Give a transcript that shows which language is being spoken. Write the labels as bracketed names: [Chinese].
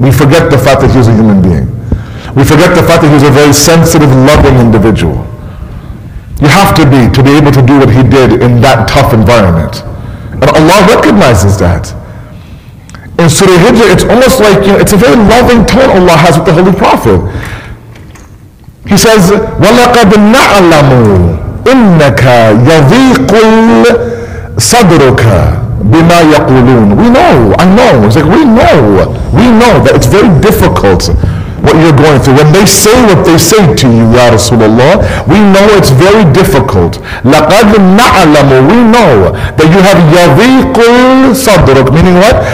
[English] We forget the fact that he was a human being. We forget the fact that he was a very sensitive, loving individual. You have to be able to do what he did in that tough environment. And Allah recognizes that. In Surah Hijr, it's almost like, you know, it's a very loving tone Allah has with the Holy Prophet. He says, [Arabic] وَلَقَدْ نَعْلَمُ إِنَّكَ يَضِيقُ صَدْرُكَ بِمَا يَقُولُونَ. [English] We know, I know. It's like, we know that it's very difficult what you're going through. When they say what they say to you, Ya Rasulullah, we know it's very difficult. [Arabic] لَقَدْ نَعْلَمُ [English] We know that you have [Arabic] يَذِيقُ الصَّدْرُكُ [English] Meaning what?